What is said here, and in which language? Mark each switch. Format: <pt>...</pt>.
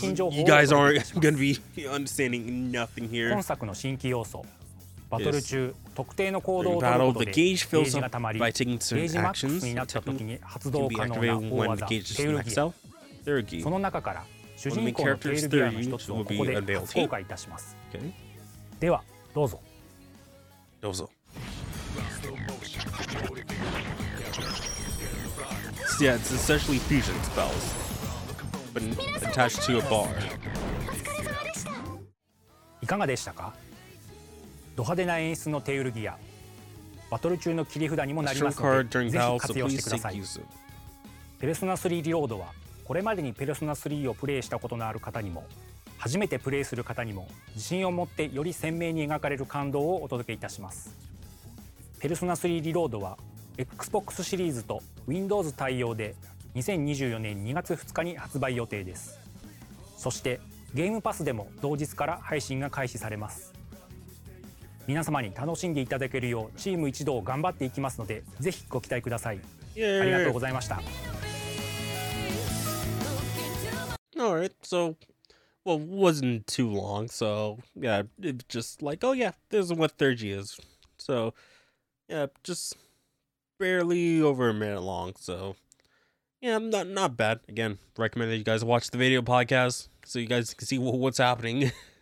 <en>You guys aren't going to be understanding nothing here.</en> <ja>Battle 中、yes. 特定の行動を取ることでゲージが溜まり、ゲージマックスになった時に発動可能な大技、テールギア。その中から主人公のテールギアの一つをここで初公開いたします。ではどうぞ。どうぞ。</ja> <en>Yeah, it's essentially fusion spells, but attached to a bar.</en> <ja>いかがでしたか？ド派手な演出のテールギア、バトル中の切り札にもなりますので、ぜひ活用してください。ペルソナ3リロードは、これまでにペルソナ3をプレイしたことのある方にも、初めてプレイする方にも、自信を持ってより鮮明に描かれる感動をお届けいたします。ペルソナ3リロードは、Xbox シリーズと Windows 対応で、2024年2月2日に発売予定です。そして、ゲームパスでも同日から配信が開始されます。皆様に楽しんでいただけるようチーム一同頑張っていきますのでぜひご期待ください。ありがとうございました。</ja> <en>Alright, so well, it wasn't too long, so yeah, it's just like, oh yeah, this is what 3G is, so yeah, just barely over a minute long, so yeah, not bad. Again, recommend that you guys watch the video podcast so you guys can see what's happening.</en>